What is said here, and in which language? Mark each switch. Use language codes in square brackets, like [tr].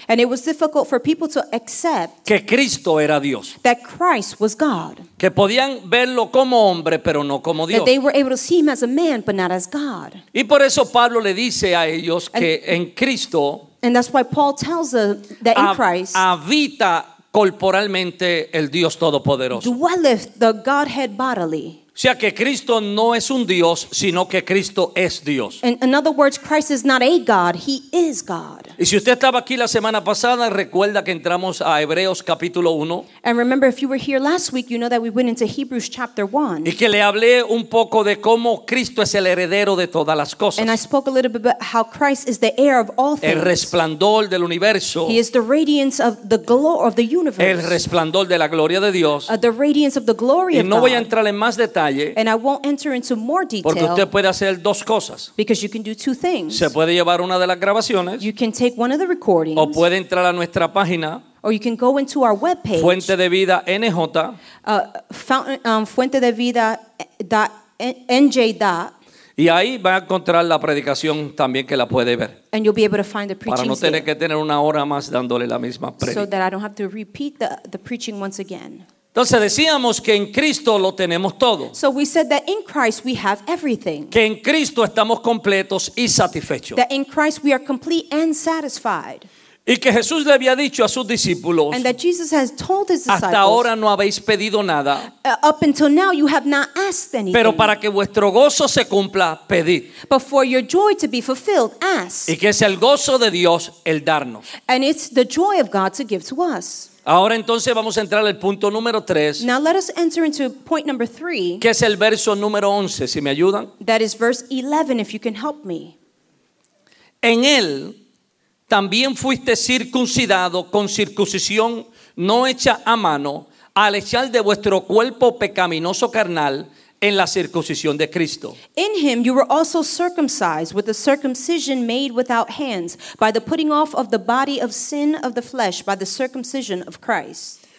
[en] And it was difficult for people to accept. [es] Que Cristo era Dios. [en] That Christ was God. [es] Que podían verlo como hombre, pero no como Dios. [en] That they were able to see him as a man, but not as God. [es] Y por eso Pablo le dice a ellos que en Cristo, [en] and that's why Paul tells them that in Christ [es] habita corporalmente el Dios Todopoderoso. [en] Dwelleth the Godhead bodily. [es] O sea que Cristo no es un Dios, sino que Cristo es Dios. [en] In other words, Christ is not a God, he is God. [es] Y si usted estaba aquí la semana pasada, recuerda que entramos a Hebreos capítulo 1. [en] And remember, if you were here last week, you know that we went into Hebrews chapter 1. [es] Y que le hablé un poco de cómo Cristo es el heredero de todas las cosas. [en] And I spoke a little bit about how Christ is the heir of all things. [es] El resplandor del universo. [en] He is the radiance of the glory of the universe. [es] El resplandor de la gloria de Dios. [en] The radiance of the glory of God. [es] Y no voy a entrar en más detalles. [en] And I won't enter into more detail. [es] Porque usted puede hacer dos cosas. [en] Because you can do two things. [es] Se puede llevar una de las grabaciones. [en] You can take one of the recordings. [es] O puede entrar a nuestra página. [en] Or you can go into our webpage. [es] Fuente de vida NJ. Fuente de vida NJ. Y ahí va a encontrar la predicación también que la puede ver. [en] And you'll be able to find the preaching. [es] Para no tener Que tener una hora más dándole la misma predicación. [en] So that I don't have to repeat the preaching once again. [es] Entonces decíamos que en Cristo lo tenemos todo. [en] So we said that in Christ we have everything. [es] Que en Cristo estamos completos y satisfechos. [en] That in Christ we are complete and satisfied. [es] Y que Jesús le había dicho a sus discípulos. [en] And that Jesus has told his disciples. [es] Hasta ahora no habéis pedido nada. [en] Up until now you have not asked anything. [es] Pero para que vuestro gozo se cumpla, pedid. [en] But for your joy to be fulfilled, ask. [es] Y que es el gozo de Dios el darnos. [en] And it's the joy of God to give to us. [es] Ahora entonces vamos a entrar al punto número 3. [en] Now let us enter into point number 3. [es] Que es el verso número 11, si me ayudan. [en] That is verse 11, if you can help me. [es] En él también fuiste circuncidado con circuncisión no hecha a mano, al echar de vuestro cuerpo pecaminoso carnal en la circuncisión de Cristo. [en] In him you were also circumcised with a circumcision made without hands, by the putting off of the body of sin of the flesh, by the circumcision of Christ.